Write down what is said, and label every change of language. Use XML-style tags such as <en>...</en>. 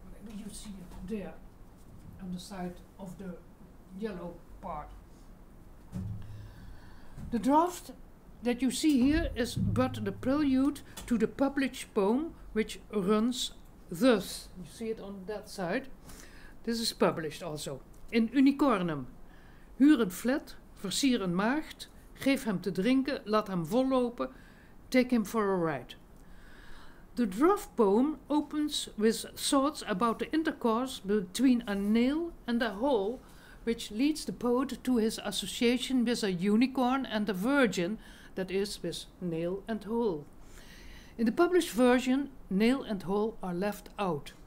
<en>Maybe you see it there on the side of the yellow part. The draft that you see here is but the prelude to the published poem, which runs thus. You see it on that side. This is published also. In Unicornum.</en> <nl>Huur een flat, versier een maagd, geef hem te drinken, laat hem vollopen,</nl> <en>take him for a ride. The draft poem opens with thoughts about the intercourse between a nail and a hole, which leads the poet to his association with a unicorn and a virgin, that is, with nail and hole. In the published version, nail and hole are left out.</en>